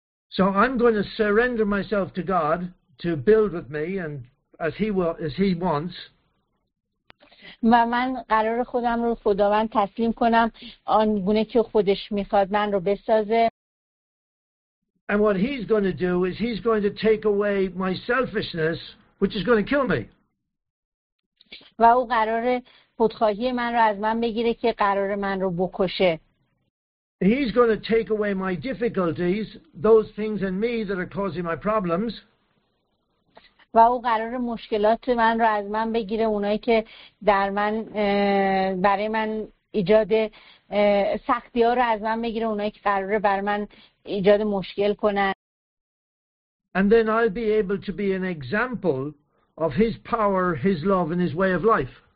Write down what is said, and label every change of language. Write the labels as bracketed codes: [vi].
[en] So I'm going to surrender myself to God to build with me and as he wants. [fa] و من قرار خودم رو خداوند تسلیم کنم آن گونه که خودش میخواد من رو بسازه. [en] And what he's going to do is he's going to take away my selfishness, which is going to kill me. [fa] و او قرار خودخواهی من رو از من بگیره که قرار من رو بکشه. [en] He's going to take away my difficulties, those things in me that are causing my problems. [fa] و او قرار مشکلات من رو از من بگیره، اونایی که در من برای من ایجاد سختی ها رو از من بگیره، اونایی که قراره بر من ایجاد مشکل کنن. [en] And then I'll be able to be an example of his power, his love and his way of life.